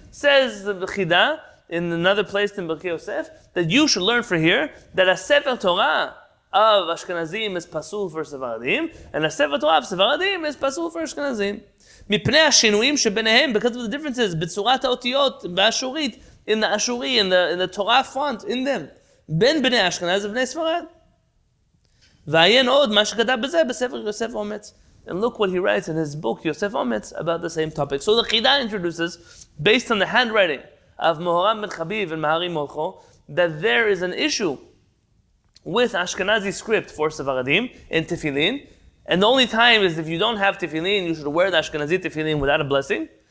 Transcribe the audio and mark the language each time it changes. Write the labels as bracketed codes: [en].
[en] Says the Chida, in another place in Berkei Yosef, that you should learn for here, that a sefer Torah of Ashkenazim is pasul for sfaradim, and a sefer Torah of sfaradim is pasul for Ashkenazim. [he] מפני השינויים שביניהם, [en] because of the differences, [he] בצורת האותיות, באשורית, [en] in the אשורי, in the Torah font, in them, [he] בין בני אשכנז ובני ספרד. ועיין עוד מה שכתב בזה בספר יוסף אומץ. [en] And look what he writes in his book, יוסף אומץ, about the same topic. So the Chida introduces, based on the handwriting of Mohoram ben Chabib and Maharim Molcho, that there is an issue with Ashkenazi script for Sfaradim and Tefillin. And the only time is if you don't have tefillin, you should wear the Ashkenazi tefillin without a blessing.